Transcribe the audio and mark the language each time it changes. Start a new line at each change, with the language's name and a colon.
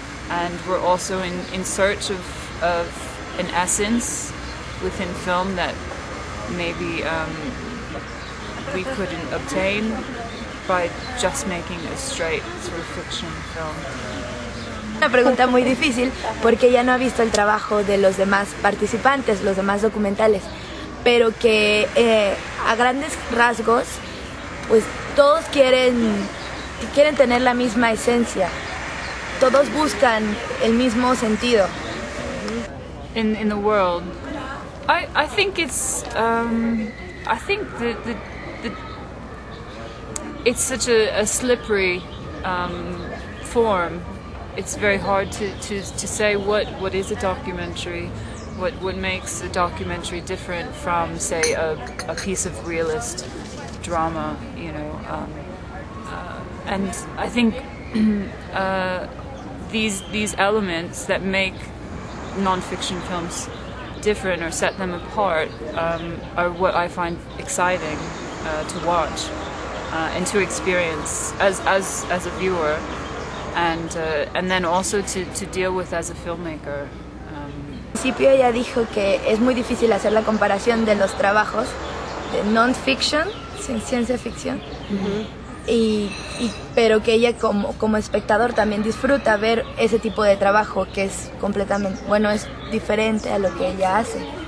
English: and we're also in search of an essence within film that maybe we couldn't obtain by just making a straight through fiction film.
Spanish: Una pregunta muy difícil porque ya no ha visto el trabajo de los demás participantes, los demás documentales, pero que a grandes rasgos, pues todos quieren tener la misma esencia, todos buscan el mismo sentido.
English: In the world, I think it's I think the it's such a slippery form. It's very hard to say what is a documentary, what makes a documentary different from, say, a piece of realist drama, you know. And I think these elements that make nonfiction films different or set them apart are what I find exciting to watch and to experience as a viewer. And then also to deal with as a filmmaker.
Spanish: Al principio ella dijo que es muy difícil hacer la comparación de los trabajos de non-fiction, ciencia ficción, mm-hmm. y pero que ella como espectador también disfruta ver ese tipo de trabajo que es completamente, bueno, es diferente a lo que ella hace.